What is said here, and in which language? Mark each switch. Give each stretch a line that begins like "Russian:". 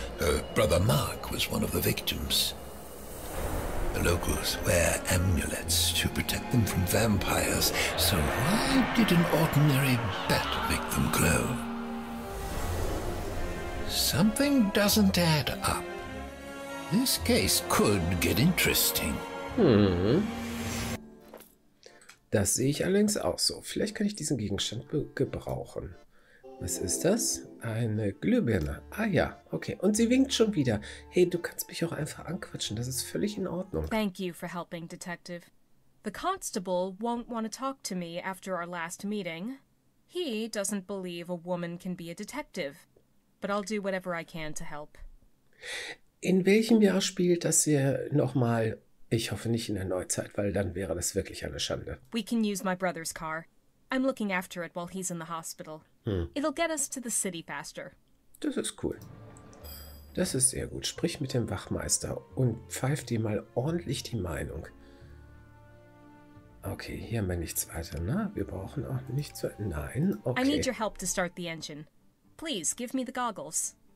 English: Her brother Mark was one of the victims. The locals wear amulets to protect them from vampires, so why did an ordinary bat make them glow? Something doesn't add up. This case could get interesting.
German: Das sehe ich allerdings auch so. Vielleicht kann ich diesen Gegenstand gebrauchen. Was ist das? Eine Glühbirne. Ah ja, okay. Und sie winkt schon wieder. Hey, du kannst mich auch einfach anquatschen. Das ist völlig in Ordnung.
English: Thank you for helping, Detective. The constable won't want to talk to me after our last meeting. He doesn't believe a woman can be a detective. But I'll do whatever I can to help.
German: In welchem Jahr spielt das hier nochmal? Ich hoffe nicht in der Neuzeit, weil dann wäre das wirklich eine Schande.
English: We can use my brother's car. I'm looking after it while he's in the hospital. It'll get us to the city faster.
German: Das ist cool. Das ist sehr gut. Sprich mit dem Wachmeister und pfeif dir mal ordentlich die Meinung. Okay, hier haben wir nichts weiter. Na, wir brauchen auch nichts weiter. Nein, okay.
English: I need your help to start the engine. Please, give me the goggles.